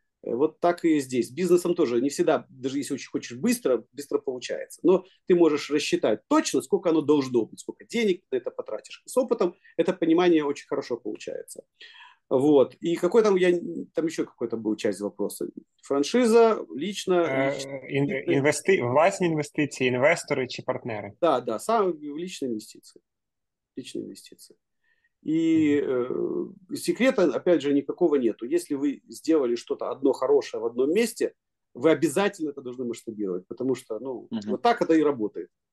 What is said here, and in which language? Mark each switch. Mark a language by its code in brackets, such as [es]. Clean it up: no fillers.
[ru] Вот так и здесь. С бизнесом тоже не всегда, даже если очень хочешь быстро, быстро получается. Но ты можешь рассчитать точно, сколько оно должно быть, сколько денег ты на это потратишь. С опытом это понимание очень хорошо получается. Вот. И какой там я там еще какой-то был часть вопроса. Франшиза, лично [uk] Власні інвестиції, інвестори чи партнери? [ru] да, саме личные инвестиции. Личные инвестиции. И секрета, опять же, никакого нету. Если вы сделали что-то одно хорошее в одном месте, вы обязательно это должны масштабировать, потому что, ну, вот так это и работает.